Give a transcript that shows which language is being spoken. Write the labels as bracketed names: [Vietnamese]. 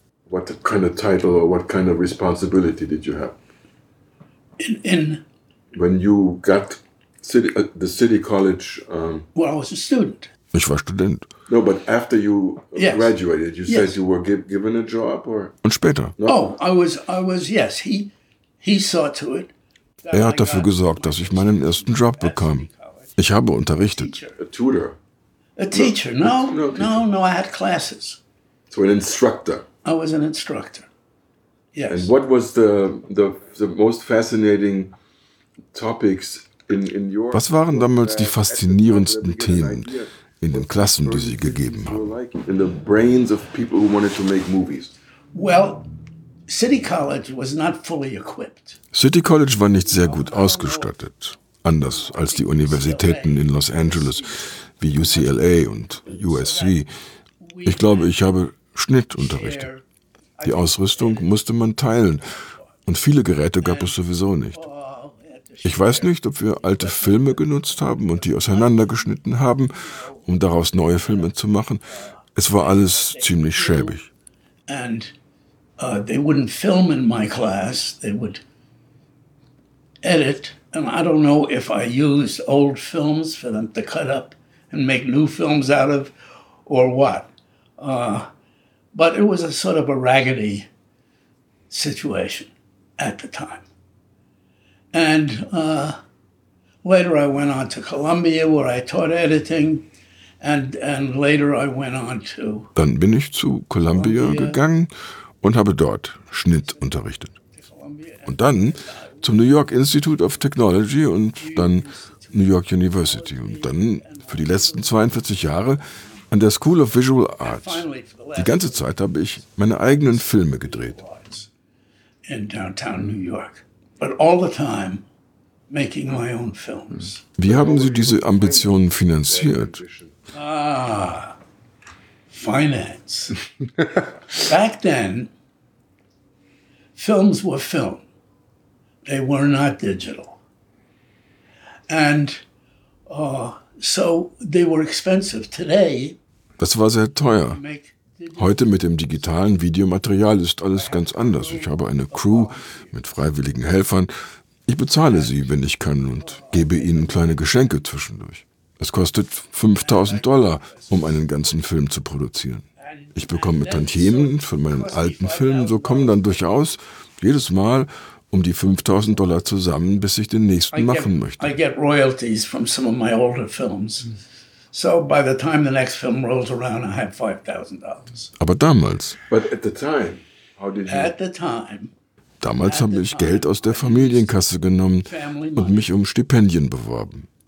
[English] What kind of title or what kind of responsibility did you have? In when you got the city college. Well, I was a student. [German] Ich war Student. [English] No, but after you graduated, you said you were given a job, or? [German] Und später. [English] No? Oh, I was. Yes, he saw to it. [German] Er hat dafür gesorgt, dass ich meinen ersten Job bekam. Ich habe unterrichtet. [English] A tutor. A teacher. No, I had classes. So an instructor. I was an instructor. Yes. And what was the most fascinating topics in your? [German] Was waren damals die faszinierendsten Themen in den Klassen, die Sie gegeben haben? [English] In the brains of people who wanted to make movies. Well, City College was not fully equipped. [German] City College war nicht sehr gut ausgestattet, anders als die Universitäten in Los Angeles wie UCLA und USC. Ich glaube, ich habe Schnitt unterrichtet. Die Ausrüstung musste man teilen und viele Geräte gab es sowieso nicht. Ich weiß nicht, ob wir alte Filme genutzt haben und die auseinandergeschnitten haben, um daraus neue Filme zu machen. Es war alles ziemlich schäbig. [English] They wouldn't film in my class, they would edit, and I don't know if I used old films for them to cut up and make new films out of, or what. But it was a sort of a raggedy situation at the time. And later I went on to Columbia, where I taught editing. And later I went on to... [German] Dann bin ich zu Columbia gegangen und habe dort Schnitt unterrichtet. Und dann zum New York Institute of Technology und dann New York University. Und dann für die letzten 42 Jahre an der School of Visual Arts. Die ganze Zeit habe ich meine eigenen Filme gedreht. [English] In downtown New York. But all the time making my own films. [German] Wie haben Sie diese Ambitionen finanziert? [English] Ah, finance. Back then, films were film. They were not digital. And so they were expensive. Today, [German] das war sehr teuer. Heute mit dem digitalen Videomaterial ist alles ganz anders. Ich habe eine Crew mit freiwilligen Helfern. Ich bezahle sie, wenn ich kann, und gebe ihnen kleine Geschenke zwischendurch. Es kostet $5,000, um einen ganzen Film zu produzieren. Ich bekomme Tantiemen für meinen alten Film, so kommen dann durchaus jedes Mal um die $5,000 zusammen, bis ich den nächsten machen möchte. [English] I get royalties from some of my older films. So by the time the next film rolls around, I have $5,000. [German] Aber damals. [English] But at the time, how did you? At the time. [German] Damals habe ich Geld aus der Familienkasse genommen und mich um Stipendien beworben.